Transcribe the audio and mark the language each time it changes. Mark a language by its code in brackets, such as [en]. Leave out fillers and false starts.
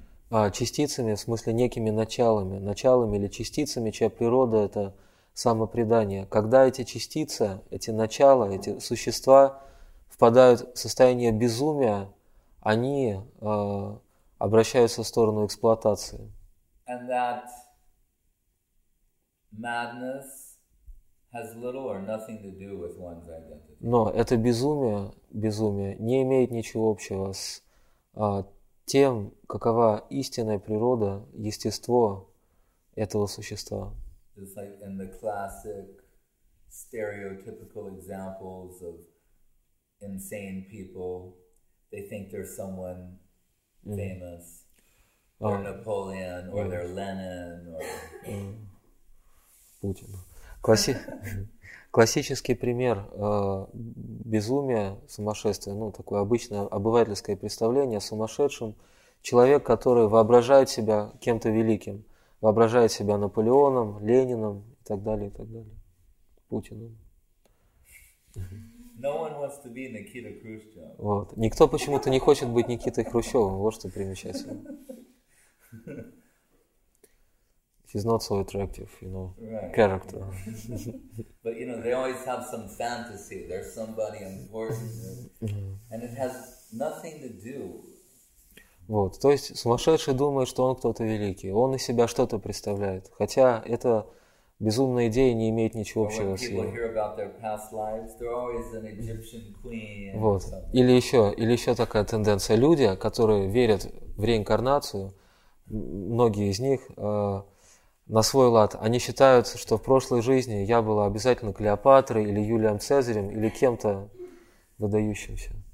[ru] Частицами, в смысле некими началами или частицами, чья природа – это самопредание. Когда эти частицы, эти начала, эти существа впадают в состояние безумия, они обращаются в сторону эксплуатации. [en] And that madness has little or nothing to do with one's identity. [ru] Но это безумие не имеет ничего общего с тем, какова истинная природа, естество этого существа. [en] Just like in the classic stereotypical examples of insane people, they think they're someone famous, or Napoleon, or they're Lenin, or Putin. [ru] Классический пример безумия, сумасшествия, ну, такое обычное обывательское представление о сумасшедшем. Человек, который воображает себя кем-то великим, воображает себя Наполеоном, Лениным и так далее, Путиным. [en] No one wants to be Nikita Khrushchev. [ru] Вот. Никто почему-то не хочет быть Никитой Хрущевым, вот что примечательно. [en] He's not so attractive, you know, character. But, you know, they always have some fantasy, there's somebody important, and it has nothing to do. [ru] Вот, то есть сумасшедший думает, что он кто-то великий, он из себя что-то представляет, хотя это Безумная идея не имеет ничего общего с ее. Вот. Или еще такая тенденция. Люди, которые верят в реинкарнацию, многие из них на свой лад, они считают, что в прошлой жизни я была обязательно Клеопатрой или Юлием Цезарем или кем-то выдающимся.